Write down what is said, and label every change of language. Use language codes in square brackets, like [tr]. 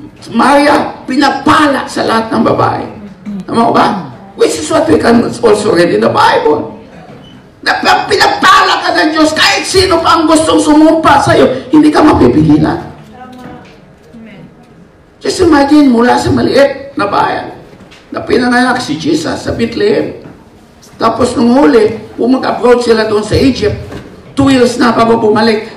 [tl] Maria, pinagpala sa lahat ng babae. Tama ba? [en] Which is what we can also read in the Bible. [tl] Na pinagpala ka ng Diyos kahit sino pa ang gustong sumumpa sa'yo, hindi ka mapipigilan. [en] Just imagine, [tl] mula sa maliit na bayan na pinanganak si Jesus sa Bethlehem. Tapos nung huli, umag-abroad sila doon sa Egypt. 2 years na bago bumalik.